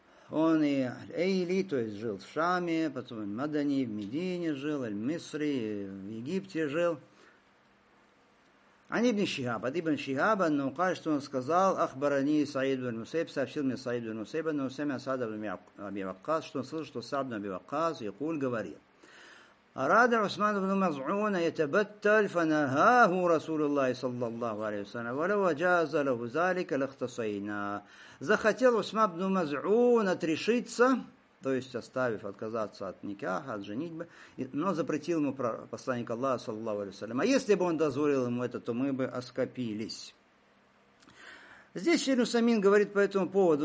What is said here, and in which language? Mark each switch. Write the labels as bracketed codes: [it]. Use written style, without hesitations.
[ru] Он и Аль-Эйли, то есть жил в Шаме, потом в Мадани, в Медине жил, в Аль-Мисри, в Египте жил. Ан ибн Шихаб, от ибн Шихаба, но кажется, что он сказал, «Ахбарани Саид ибн Мусейб», сообщил мне Саид ибн Мусейб, но Усэмя Саад ибн Абивакас, что он слышал, что Саад ибн Абивакас, Якуль говорил. [ar] أراد عثمان بن مزعون يتبتل فنهاه رسول الله صلى الله عليه وسلم ولو جاز له ذلك لاختصينا. [ru] Захотел Усман ибн Мазун отрешиться, то есть оставив, отказаться от никаха, от женитьбы, но запретил ему посланник Аллаха صلى الله عليه وسلم. А если бы он дозволил ему это, то мы бы оскопились. Здесь Ибн Усаймин говорит по этому поводу.